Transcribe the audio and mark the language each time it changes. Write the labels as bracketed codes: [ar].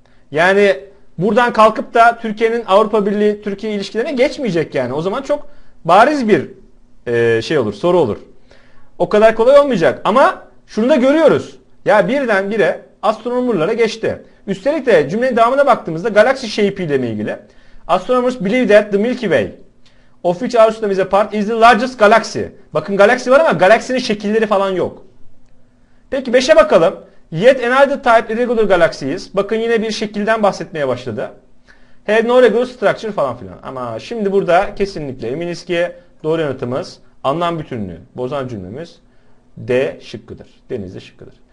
[tr] Yani buradan kalkıp da Türkiye'nin Avrupa Birliği Türkiye ilişkilerine geçmeyecek yani. O zaman çok bariz bir şey olur, soru olur. O kadar kolay olmayacak ama şunu da görüyoruz. Ya birden bire astronomerlara geçti. Üstelik de cümlenin devamına baktığımızda [en] galaxy shape [tr] ile ilgili. [en] Astronomers believe that the Milky Way of which our system is a part is the largest galaxy. [tr] Bakın, galaksi var ama galaksinin şekilleri falan yok. Peki 5'e bakalım. [en] Yet another type irregular galaxies. [tr] Bakın yine bir şekilden bahsetmeye başladı. [en] Have no regular structure [tr] falan filan. Ama şimdi burada kesinlikle eminiz ki doğru yanıtımız, anlam bütünlüğü bozan cümlemiz D şıkkıdır. Deniz'de şıkkıdır.